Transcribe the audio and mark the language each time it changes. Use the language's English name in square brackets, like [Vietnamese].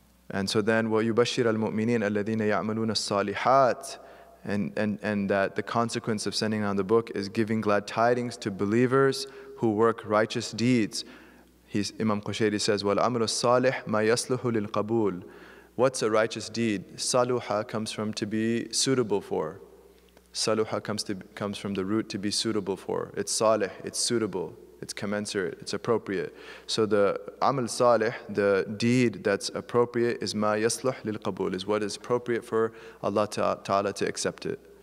[English] And so then, [Arabic] وَيُبَشِّرَ الْمُؤْمِنِينَ الَّذِينَ يَعْمَلُونَ الصَّالِحَاتِ, [English] and that the consequence of sending down the book is giving glad tidings to believers who work righteous deeds. Imam Qushayri says, [Arabic] وَالْعَمْلُ الصَّالِحِ مَا يَصْلُحُ لِلْقَبُولِ. [English] What's a righteous deed? Saluha comes from to be suitable for. Saluha comes from the root to be suitable for. It's salih, it's suitable. It's commensurate, it's appropriate. So the amal salih, the deed that's appropriate, is [Arabic] ma yasluh lil qabul, [English] is what is appropriate for Allah Ta'ala to accept it.